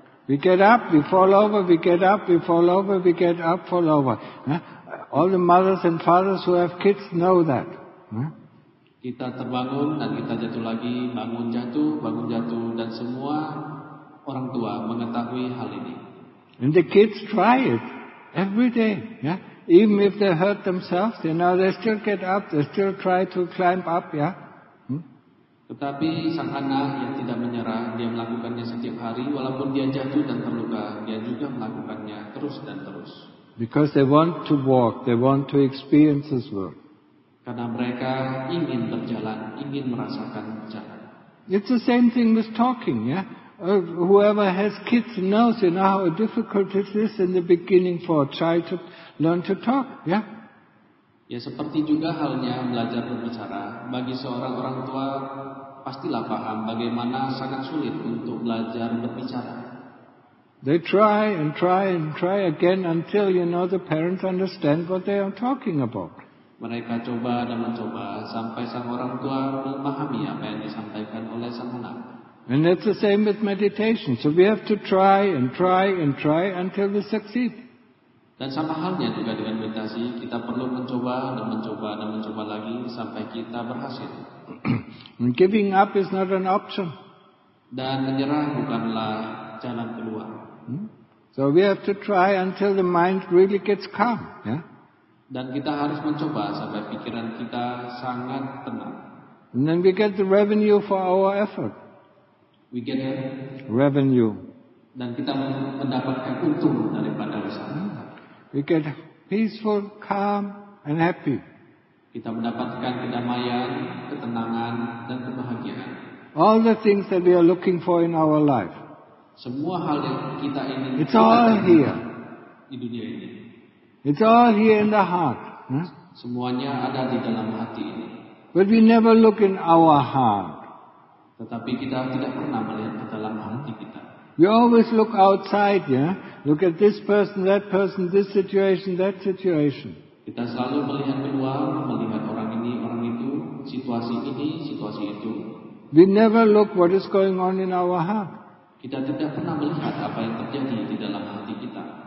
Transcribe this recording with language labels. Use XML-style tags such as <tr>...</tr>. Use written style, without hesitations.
<en>We get up, we fall over, we get up, we fall over, we get up, fall over. All the mothers and fathers who have kids know that.</en> <id>Kita terbangun dan kita jatuh lagi, bangun jatuh, dan semua orang tua mengetahui hal ini.</id> <en>And the kids try it every day. Yeah? Even if they hurt themselves, you know, they still get up, they still try to climb up, yeah?</en> <id>Tetapi sang anak yang tidak menyerah, dia melakukannya setiap hari, walaupun dia jatuh dan terluka, dia juga melakukannya terus dan terus.</id> <en>Because they want to walk, they want to experience this world.</en> <id>Karena mereka ingin berjalan, ingin merasakan jalan.</id> <en>It's the same thing with talking, yeah? Whoever has kids knows, you know, how difficult it is in the beginning for a child to learn to talk, yeah?</en> <id>Ya, seperti juga halnya belajar berbicara. Bagi seorang orang tua, pastilah paham bagaimana sangat sulit untuk belajar berbicara.</id> <en>They try and try and try again until, you know, the parents understand what they are talking about.</en> <id>Mereka coba dan mencoba sampai sang orang tua memahami apa yang disampaikan oleh sang anak.</id> <en>And it's the same with meditation. So we have to try and try and try until we succeed.</en> <id>Dan sama halnya juga dengan meditasi, kita perlu mencoba dan mencoba dan mencoba lagi sampai kita berhasil.</id> <en>And giving up is not an option.</en> <id>Dan menyerah bukanlah jalan keluar.</id> <en>So we have to try until the mind really gets calm. Yeah?</en> <id>Dan kita harus mencoba sampai pikiran kita sangat tenang.</id> <en>And then we get the revenue for our effort. We get a revenue.</en> <id>Dan kita mendapatkan untung daripada usaha.</id> <en>We get peaceful, calm, and happy.</en> <id>Kita mendapatkan kedamaian, ketenangan, dan kebahagiaan.</id> <en>All the things that we are looking for in our life.</en> <id>Semua hal yang kita ingin.</id> <en>It's all here.</en> <id>Di dunia ini.</id> <en>It's all here in the heart.</en> <id>Semuanya ada di dalam hati ini.</id> <en>But we never look in our heart.</en> <id>Tetapi kita tidak pernah melihat ke dalam hati kita.</id> <en>We always look outside, yeah? Look at this person, that situation.</en> <id>Kita selalu melihat keluar, melihat orang ini, orang itu, situasi ini, situasi itu.</id> <en>We never look what is going on in our heart.</en> <id>Kita tidak pernah melihat apa yang terjadi di dalam hati kita.</id>